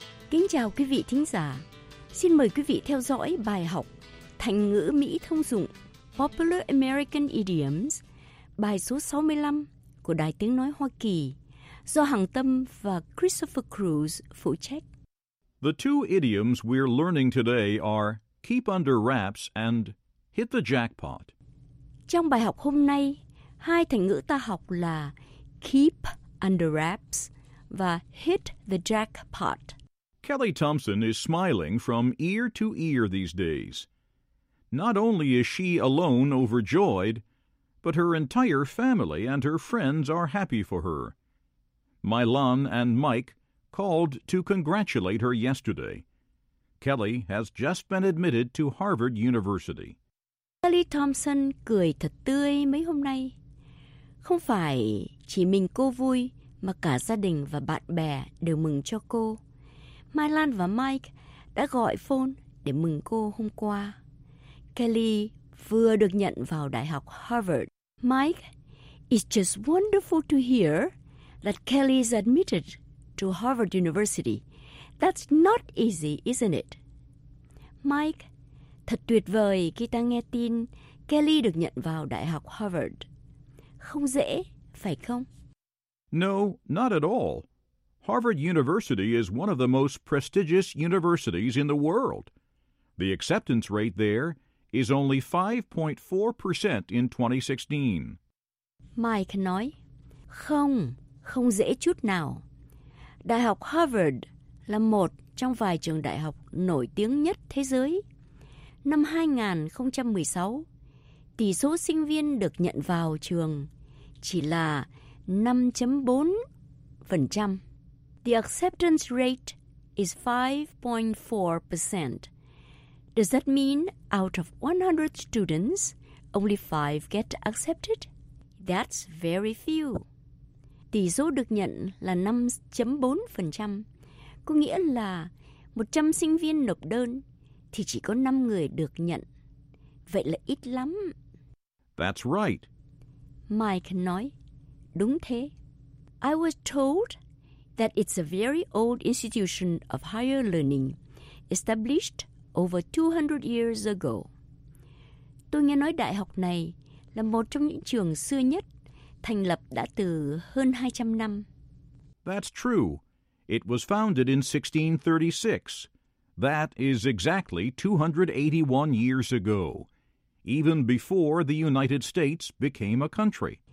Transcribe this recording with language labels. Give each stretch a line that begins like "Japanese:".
Vietnamese: Kính chào quý vị thính giả. Xin mời quý vị theo dõi bài học Thành ngữ Mỹ thông dụng Popular American Idioms, bài số 65 của Đài Tiếng Nói Hoa Kỳ, do Hằng Tâm và Christopher Cruz phụ trách.
English: The two idioms we're learning today are keep under wraps and hit the jackpot.
Vietnamese: Trong bài học hôm nay, hai thành ngữ ta học là
English: keep under wraps
Vietnamese: và
English: hit the jackpot. Kelly Thompson is smiling from ear to ear these days. Not only is she alone overjoyed, but her entire family and her friends are happy for her. Mylon and Mike called to congratulate her yesterday. Kelly has just been admitted to Harvard University.
Vietnamese: Kelly Thompson cười thật tươi mấy hôm nay. Không phải chỉ mình cô vui, mà cả gia đình và bạn bè đều mừng cho cô. Mylon và Mike đã gọi phone để mừng cô hôm qua. Kelly vừa được nhận vào Đại học Harvard.
English: Mike, it's just wonderful to hear that Kelly is admitted to Harvard University. That's not easy, isn't it?
Vietnamese: Mike, thật tuyệt vời khi ta nghe tin Kelly được nhận vào Đại học Harvard. Không dễ, phải không?
English: No, not at all. Harvard University is one of the most prestigious universities in the world. The acceptance rate there is only 5.4% in 2016.
Vietnamese: Mike nói, không, không dễ chút nào. Đại học Harvard là một trong vài trường đại học nổi tiếng nhất thế giới. Năm 2016, tỷ số sinh viên được nhận vào trường chỉ là 5.4%.
English: The acceptance rate is 5.4%. Does that mean out of 100 students, only 5 get accepted? That's very few.
Vietnamese: Tỷ số được nhận là 5.4%, có nghĩa là 100 sinh viên nộp đơn thì chỉ có 5 người được nhận. Vậy là ít lắm.
English: That's right.
Vietnamese: Mike nói, đúng thế.
English: I was told that it's a very old institution of higher learning, established over 200 years ago.
Vietnamese: Tôi nghe nói đại học này là một trong những trường xưa nhất, thành lập đã từ hơn 200 năm.
English: That's true. It was founded in 1636. That is exactly 281 years ago, even before the United States became a country.